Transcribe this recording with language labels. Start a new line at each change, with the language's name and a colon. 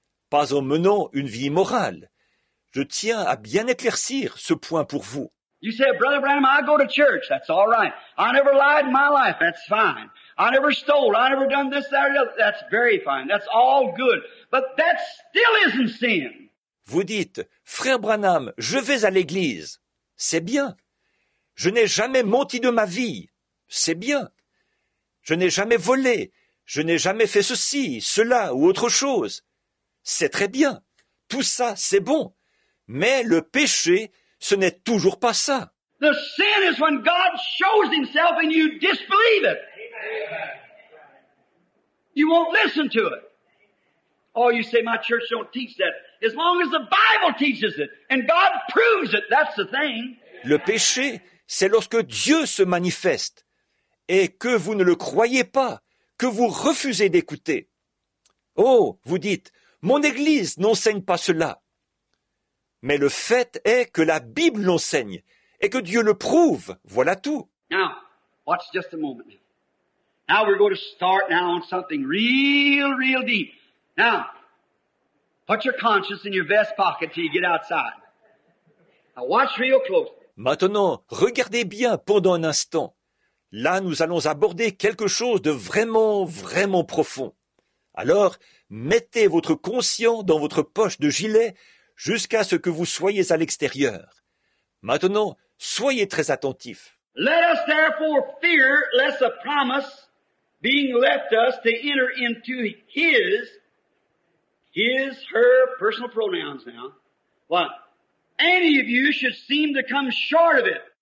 French: Pas en menant une vie morale. Je tiens à bien éclaircir ce point pour vous.
English: You say, Brother Branham, I go to church. That's all right. I never lied in my life. That's fine. I never stole. I never done this, that, or the other. That's very fine. That's all good. But that still isn't sin.
French: Vous dites, Frère Branham, je vais à l'église. C'est bien. Je n'ai jamais menti de ma vie. C'est bien. Je n'ai jamais volé. Je n'ai jamais fait ceci, cela ou autre chose. C'est très bien. Tout ça, c'est bon. Mais le péché, ce n'est toujours pas ça.
English: The sin is when God shows himself and you disbelieve it. You won't listen to it. Oh, you say, my church don't teach that. As long as the Bible teaches it and God proves it, that's the thing.
French: Le péché, c'est lorsque Dieu se manifeste et que vous ne le croyez pas, que vous refusez d'écouter. Oh, vous dites, mon église n'enseigne pas cela. Mais le fait est que la Bible l'enseigne et que Dieu le prouve, voilà tout.
English: Now, watch just a moment. Now we're going to start now on something real, real deep. Now, put your conscience in your vest pocket till you get outside. Now watch real close.
French: Maintenant, regardez bien pendant un instant. Là, nous allons aborder quelque chose de vraiment, vraiment profond. Alors, mettez votre conscient dans votre poche de gilet jusqu'à ce que vous soyez à l'extérieur. Maintenant, soyez très attentifs.
English: Let us therefore fear lest a promise being left us to enter into his, her personal pronouns now. What? Any of you should seem to come short of it.